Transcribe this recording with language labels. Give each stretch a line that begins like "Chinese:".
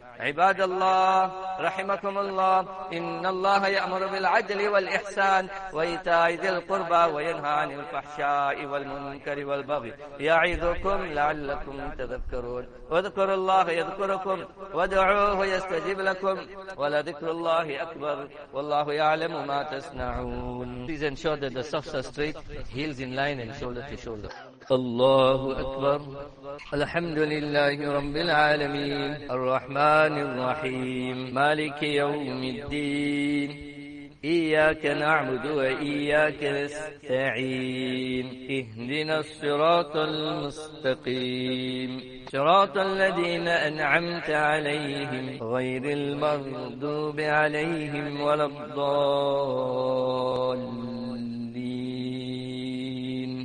Arabic: عباد الله رحمكم الله، إن الله يأمر بالعدل والإحسان وإيتاء ذي القربى وينهى عن الفحشاء والمنكر والبغي يعظكم لعلكم تذكرون. اذكروا الله يذكركم وادعوه يستجيب لكم ولذكر الله أكبر والله يعلم ما تصنعون.
English: Please ensure that the soft are straight, heels in line and shoulder to shoulder.
Arabic: الله أكبر. الحمد لله رب العالمين، الرحمن الرحيم، مالك يوم الدين، إياك نعبد وإياك نستعين، اهدنا الصراط المستقيم، صراط الذين أنعمت عليهم غير المغضوب عليهم ولا الضالين.